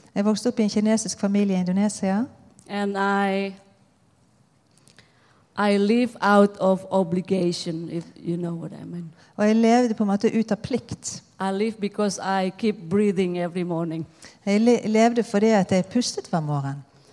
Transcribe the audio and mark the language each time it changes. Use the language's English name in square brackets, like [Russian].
[Swedish] Jag växte upp i en kinesisk familj i Indonesien. [English] And I live out of obligation, if you know what I mean. [Swedish] Och jag levde på något utav plikt. [English] I live because I keep breathing every morning. [Swedish] Jag levde för det att jag pustade varje morgon.